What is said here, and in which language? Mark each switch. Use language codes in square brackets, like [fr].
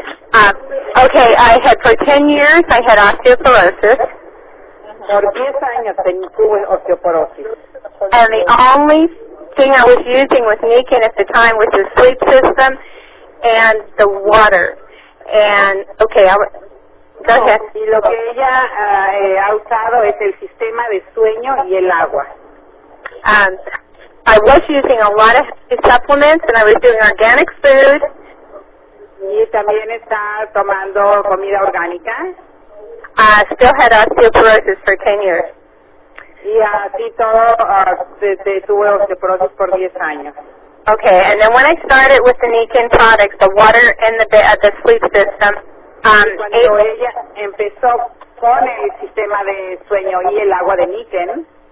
[en] Okay, I had for 10 years I had osteoporosis. [es] Por 10 años tuve osteoporosis. [en] And the only thing I was using with Nikon at the time was the sleep system and the water. And okay, go ahead. [es] Y lo que ella ha usado es el sistema de sueño y el agua. [en] I was using a lot of supplements, and I was doing organic food. [es] Y también está tomando comida orgánica. [en] I still had osteoporosis for 10 years. [es] Y así todo, tuve osteoporosis por 10 años. [en] Okay, and then when I started with the Nikon products, the water and the sleep system, [es] cuando ella empezó con el sistema de sueño y el agua de Nikon,